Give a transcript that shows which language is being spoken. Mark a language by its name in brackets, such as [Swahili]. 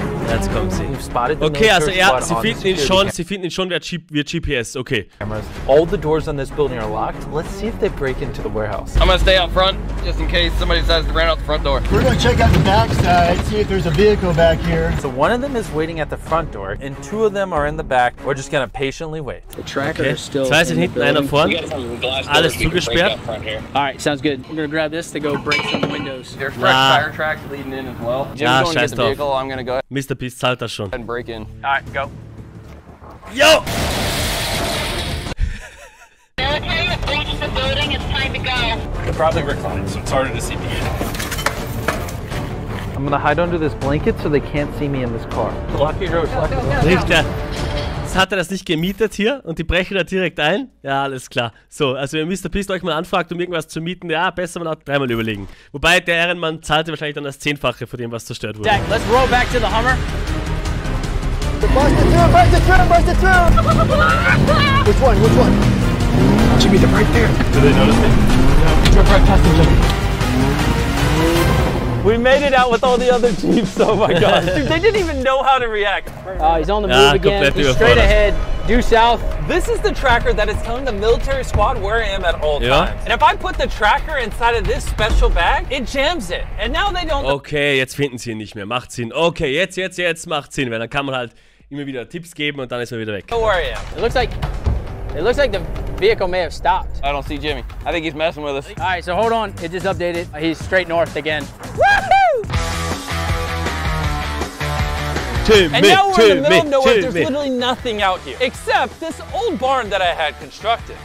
[German] Jetzt kommt sie. Okay, also ja, sie finden ihn schon via GPS, okay. [English] Cameras. All the doors on this building are locked. Let's see if they break into the warehouse. I'm gonna stay out front, just in case somebody decides to run out the front door. We're gonna check out the back side, see if there's a vehicle back here. So one of them is waiting at the front door, and two of them are in the back. We're just gonna patiently wait. The tracker is still in the [German] building. Einer vorne. Alles zugesperrt. [English] All right, sounds good. We're gonna grab this to go break some windows. There's fresh tire tracks leading in as well. Jim's going to get the vehicle. I'm going to go. [German] Mr. Beast zahlt das schon. [English] And break in. All right, go. Yo! Military has reached the building. It's time to go. They're probably reclined, so it's harder to see the end. I'm going to hide under this blanket so they can't see me in this car. Lock your doors. Go, go, go. [German] Richter, Sonst hat er das nicht gemietet hier und die brechen da direkt ein. Ja, alles klar. So, also wenn Mr. Pist euch mal anfragt, um irgendwas zu mieten, ja, besser mal dreimal überlegen. Wobei, der Ehrenmann zahlte wahrscheinlich dann das Zehnfache von dem, was zerstört wurde. [English] Deck, let's roll back to the Hummer. Bust it through, bust it through, bust it through! Which one, which one? It should be the right there. Do they notice me? No. Drift right past the Jeep. We made it out with all the other Jeeps, oh my god. Dude, they didn't even know how to react. He's on the move again. He's straight ahead, due south. This is the tracker that is telling the military squad where I am at all times. And if I put the tracker inside of this special bag, it jams it. And now they don't... [German] Okay, jetzt finden sie ihn nicht mehr. Macht Sinn. Okay, jetzt macht Sinn. Weil dann kann man halt immer wieder Tipps geben und dann ist man wieder weg. [English] Where are you? It looks like the vehicle may have stopped. I don't see Jimmy. I think he's messing with us. All right, so hold on. It just updated. He's straight north again. Woohoo! Jimmy, and now we're Jimmy, in the middle of nowhere. Jimmy. There's literally nothing out here except this old barn that I had constructed.